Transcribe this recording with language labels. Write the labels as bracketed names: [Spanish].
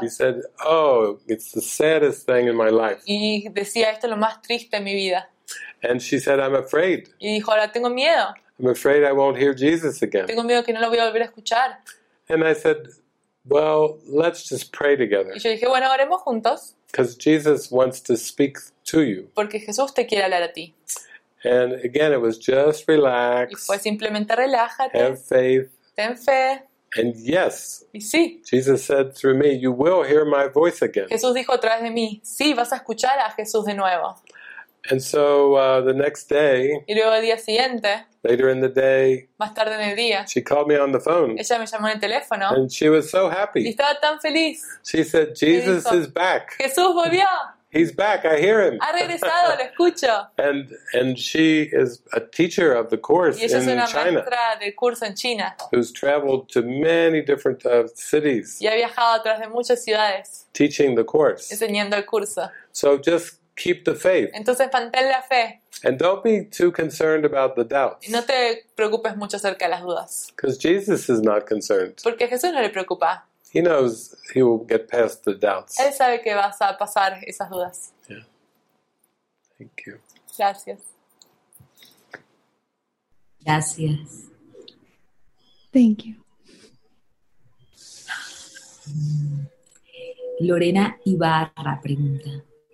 [English] She said, "Oh, it's the saddest thing in my life." [Spanish] Y decía, "Esto es lo más triste en mi vida." [English] And she said, "I'm afraid." [Spanish] Y dijo, "Ahora tengo miedo." [English] "I'm afraid I won't hear Jesus again." [Spanish] Tengo miedo que no lo voy a volver a escuchar. [English] And I said, "Well, let's just pray together." [Spanish] Y yo dije, "Bueno, oremos juntos." [English] Because Jesus wants to speak to you. [Spanish] Porque Jesús te quiere hablar a ti. [English] And again, it was just relax. [Spanish] Y fue simplemente relájate. [English] Have faith. [Spanish] Ten fe. [English] And yes. [Spanish] Y sí. [English] Jesus said through me, "You will hear my voice again." [Spanish] Jesús dijo a través de mí, "Sí, vas a escuchar a Jesús de nuevo." [English] And so the next day, [Spanish] y luego el día siguiente, [English] later in the day, [Spanish] más tarde en el día, [English] she called me on the phone. [Spanish] Ella me llamó en el teléfono, [English] and she was so happy. [Spanish] Y estaba tan feliz. [English] She said, "Jesus [Spanish] dijo, [English] is back." [Spanish] Jesús volvió. [English] He's back. I hear him. [Spanish] Ha regresado, lo escucho. [English] And she is a teacher of the course [Spanish] y ella [English] in [Spanish] es una [English] China, [Spanish] maestra del curso en China, [English] who's traveled to many different cities, [Spanish] y ha viajado atrás de muchas ciudades, [English] teaching the course, [Spanish] enseñando el curso. [English] So just keep the faith. [Spanish] Entonces mantén la fe. [English] And don't be too concerned about the doubts. [Spanish] Y no te preocupes mucho acerca de las dudas. [English] Because Jesus is not concerned. [Spanish] Porque Jesús no le preocupa. [English] He knows he will get past the doubts. [Spanish] Él sabe que vas a pasar esas dudas. [English] Yeah. Thank you. [Spanish] Gracias. Gracias. [English] Thank you. [Spanish] Lorena Ibarra pregunta.